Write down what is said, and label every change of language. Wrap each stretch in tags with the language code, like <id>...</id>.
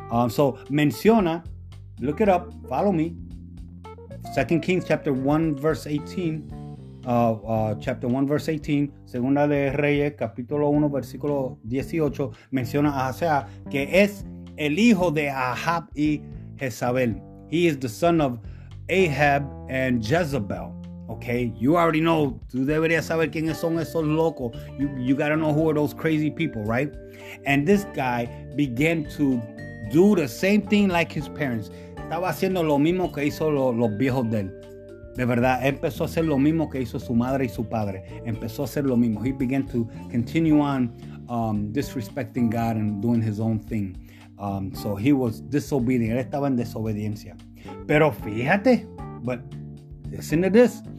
<en>So, menciona, look it up, follow me. 2 Kings chapter 1, verse 18. Chapter 1, verse 18,</en> <es>Segunda de Reyes, capítulo 1, versículo 18, menciona a Ahazia, que es el hijo de Ahab y Jezabel.</es> <en>He is the son of Ahab and Jezebel. Okay, you already know.</en> <es>Tú deberías saber quiénes son esos locos.</es> <en>You gotta know who are those crazy people, right? And this guy began to do the same thing like his parents.</en> <es>Estaba haciendo lo mismo que hizo los viejos de él. De verdad, empezó a hacer lo mismo que hizo su madre y su padre. Empezó a hacer lo mismo.</es> <en>He began to continue on disrespecting God and doing his own thing. So he was disobedient.</en> <es>Él estaba en desobediencia. Pero fíjate,</es> <en>but listen to this.</en>